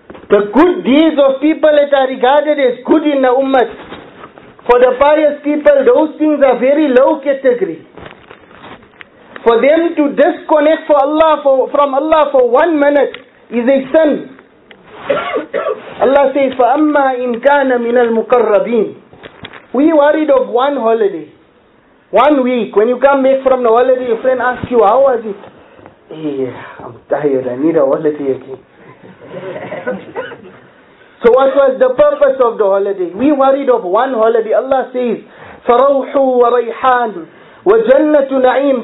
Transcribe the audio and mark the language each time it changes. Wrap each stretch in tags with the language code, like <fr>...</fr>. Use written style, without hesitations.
<en>The good deeds of people that are regarded as good in the ummah, for the pious people, those things are very low category. For them to disconnect from Allah for 1 minute is a sin. Allah says,</en> <ar>فَأَمَّا إِن كَانَ مِنَ الْمُقَرَّبِينَ.</ar> <en>We worried of one holiday. 1 week, when you come back from the holiday, your friend asks you, how was it? Yeah, I'm tired, I need a holiday again. So what was the purpose of the holiday? We worried of one holiday. Allah says,</en> <ar>فَرَوْحُ وَرَيْحَانُ وَجَنَّةُ نَعِيمٌ.</ar>